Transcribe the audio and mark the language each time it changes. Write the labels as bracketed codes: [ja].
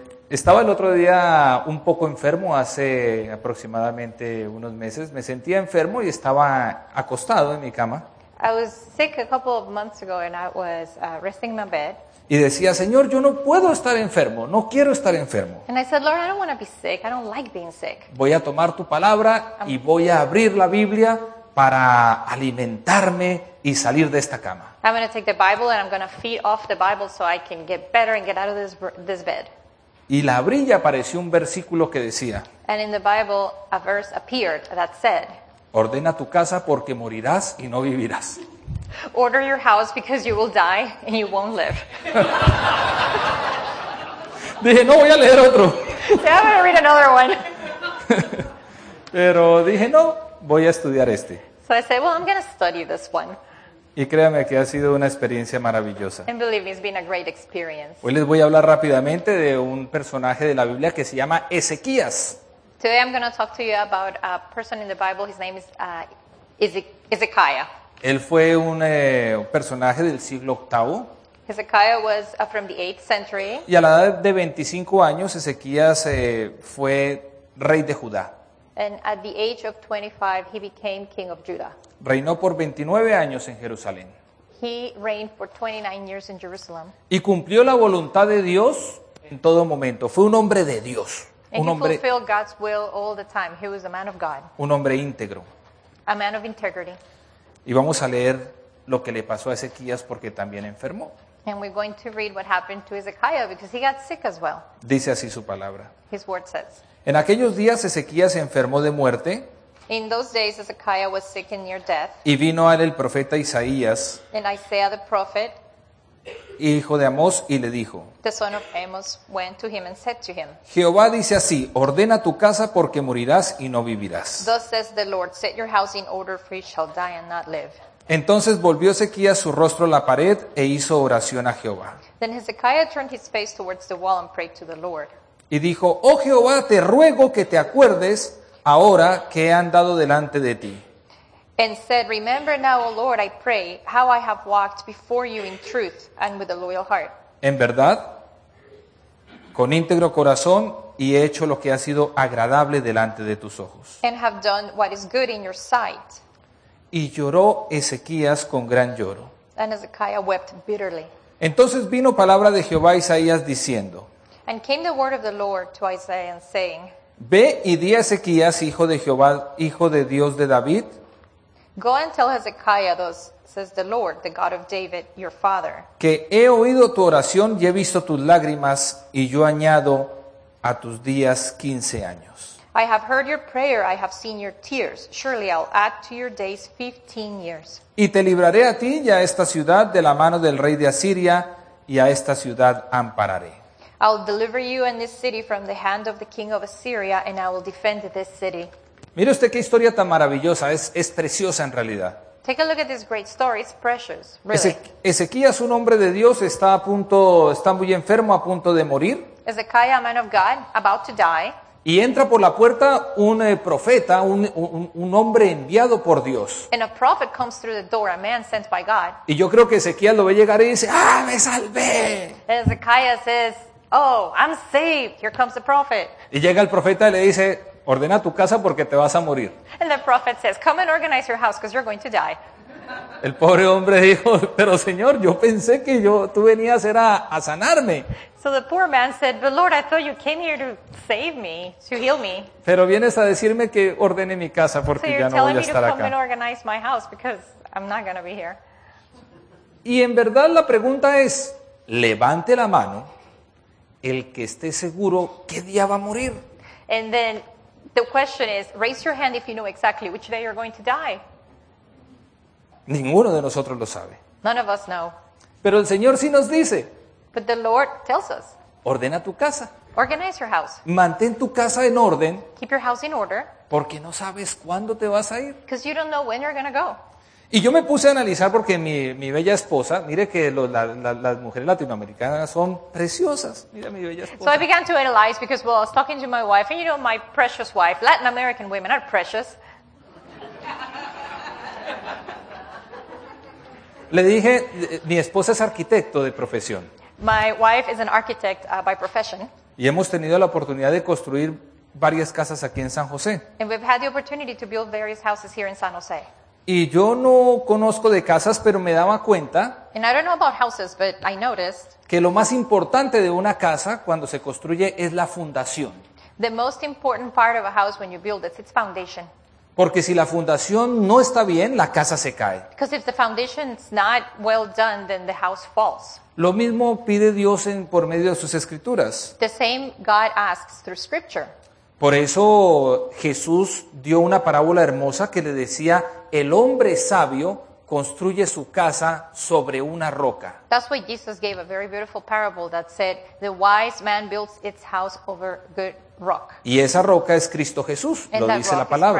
[es] Estaba el otro día un poco enfermo, hace aproximadamente unos meses. Me sentía enfermo y estaba acostado en mi cama. [en] I was sick a couple of months ago and I was resting in my bed. [es] Y decía, Señor, yo no puedo estar enfermo, no quiero estar enfermo. [en] And I said, Lord, I don't want to be sick, I don't like being sick. [es] Voy a tomar tu palabra y voy a abrir la Biblia para alimentarme y salir de esta cama. [en] I'm going to take the Bible and I'm going to feed off the Bible so I can get better and get out of this bed. [es] Y la abrí y apareció un versículo que decía. [en] And in the Bible, a verse appeared that said. [es] Ordena tu casa porque morirás y no vivirás. [en] Order your house because you will die and you won't live. [es] Dije, no, voy a leer otro. [en] Yeah, I'm going to read another one. [es] Pero dije, no, voy a estudiar este. [en] So I said, well, I'm going to study this one. [es] Y créame que ha sido una experiencia maravillosa. [en] And believe me, it's been a great experience. [es] Hoy les voy a hablar rápidamente de un personaje de la Biblia que se llama Ezequías. [en] Today I'm going to talk to you about a person in the Bible. His name is Ezekiah. [es] Él fue un personaje del siglo VIII. [en] Ezekiah was from the 8th century. [es] Y a la edad de 25 años, Ezequías fue rey de Judá. [en] And at the age of 25, he became king of Judah. [es] Reinó por 29 años en Jerusalén. [en] He reigned for 29 years in Jerusalem. [es] Y cumplió la voluntad de Dios en todo momento. Fue un hombre de Dios. [en] He fulfilled God's will all the time. He was a man of God. [es] Un hombre íntegro. [en] A man of integrity. [es] Y vamos a leer lo que le pasó a Ezequías porque también enfermó. [en] And we're going to read what happened to Ezekiah because he got sick as well. [es] Dice así su palabra. [en] His word says. [es] En aquellos días Ezequías se enfermó de muerte. [en] In those days Ezekiah was sick and near death. [es] Y vino a él el profeta Isaías. [en] And Isaiah the prophet. [es] Hijo de Amós y le dijo. [en] The son of Amos went to him and said to him. [es] Jehová dice así, ordena tu casa porque morirás y no vivirás. [en] Thus says the Lord, set your house in order for you shall die and not live. [es] Entonces volvió Ezequías su rostro a la pared e hizo oración a Jehová. [en] Then Ezekiah turned his face towards the wall and prayed to the Lord. [es] Y dijo, oh Jehová, te ruego que te acuerdes ahora que he andado delante de ti. [en] And said, remember now, O Lord, I pray, how I have walked before you in truth and with a loyal heart. [es] En verdad, con íntegro corazón y he hecho lo que ha sido agradable delante de tus ojos. [en] And have done what is good in your sight. [es] Y lloró Ezequías con gran lloro. [en] And Ezekiah wept bitterly. [es] Entonces vino palabra de Jehová a Isaías diciendo. [en] And came the word of the Lord to Isaiah and saying. [es] Ve y di a Ezequías, hijo de Jehová, hijo de Dios de David. [en] Go and tell Hezekiah, thus says the Lord, the God of David, your father. [es] Que he oído tu oración y he visto tus lágrimas y yo añado a tus días 15 años. [en] I have heard your prayer, I have seen your tears. Surely I'll add to your days 15 years. [es] Y te libraré a ti y a esta ciudad de la mano del rey de Asiria y a esta ciudad ampararé. [en] I'll deliver you and this city from the hand of the king of Assyria, and I will defend this city. [es] Mire usted qué historia tan maravillosa, es preciosa en realidad. [en] Take a look at this great story, it's precious, really. [es] Ezequías, un hombre de Dios, está muy enfermo, a punto de morir. [en] Ezekiah, a man of God, about to die. [es] Y entra por la puerta un profeta, un hombre enviado por Dios. [en] And a prophet comes through the door, a man sent by God. [es] Y yo creo que Ezequiel lo ve llegar y dice, ¡ah, me salvé! [en] Ezekiah says, oh, I'm saved. Here comes the prophet. [es] Y llega el profeta y le dice, ordena tu casa porque te vas a morir. [en] And the prophet says, come and organize your house because you're going to die. [es] El pobre hombre dijo, pero señor, yo pensé que tú venías era a sanarme. [en] So the poor man said, but Lord, I thought you came here to save me, to heal me. [es] Pero vienes a decirme que ordene mi casa porque [en] so [es] ya no voy a estar acá. [en] So you're telling me to come and organize my house because I'm not going to be here. [es] Y en verdad la pregunta es, levante la mano el que esté seguro qué día va a morir. [en] And then the question is, raise your hand if you know exactly which day you're going to die. [es] Ninguno de nosotros lo sabe. [en] None of us know. [es] Pero el Señor sí nos dice. [en] But the Lord tells us. [es] Ordena tu casa. [en] Organize your house. [es] Mantén tu casa en orden. [en] Keep your house in order. [es] Porque no sabes cuándo te vas a ir. [en] Because you don't know when you're going to go. [es] Y yo me puse a analizar porque mi bella esposa, mire que las mujeres latinoamericanas son preciosas. Mira mi bella esposa. [en] So I began to analyze because, well, I was talking to my wife, and you know my precious wife, Latin American women are precious. [es] Le dije, mi esposa es arquitecto de profesión. [en] My wife is an architect by profession. [es] Y hemos tenido la oportunidad de construir varias casas aquí en San José. [en] And we've had the opportunity to build various houses here in San Jose. [es] Y yo no conozco de casas, pero me daba cuenta. [en] And I don't know about houses, but I noticed. [es] Que lo más importante de una casa cuando se construye es la fundación. [en] The most important part of a house when you build it, it's foundation. [es] Porque si la fundación no está bien, la casa se cae. [en] Because if the foundation's not well done, then the house falls. [es] Lo mismo pide Dios por medio de sus escrituras. [en] The same God asks through scripture. [es] Por eso Jesús dio una parábola hermosa que le decía, el hombre sabio construye su casa sobre una roca. [en] That's why Jesus gave a very beautiful parable that said, the wise man builds its house over good rock. [es] Y esa roca es Cristo Jesús, lo dice la palabra.